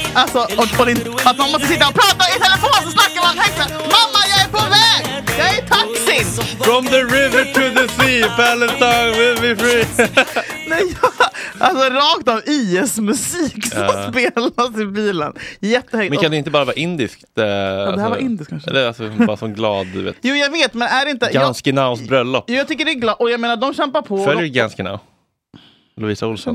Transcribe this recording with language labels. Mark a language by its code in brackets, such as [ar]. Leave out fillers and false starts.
[sv] Alltså, att man måste sitta och prata i telefon så snackar man högsta. Mamma, jag är på väg! Jag är i taxin! [en] From the river to the sea, Palestine will be free. [sv] Nej, alltså rakt av IS-musik som spelas i bilen. Jättehögt. Men kan det inte bara vara indiskt? Ja, alltså, det här var indiskt kanske. Eller alltså, bara som glad, du vet. Jo, jag vet, men är det inte... Ganskinaus bröllop. Jo, jag tycker det är glad. Och jag menar, de kämpar på... Följer du Ganskinau? Louisa Olsson.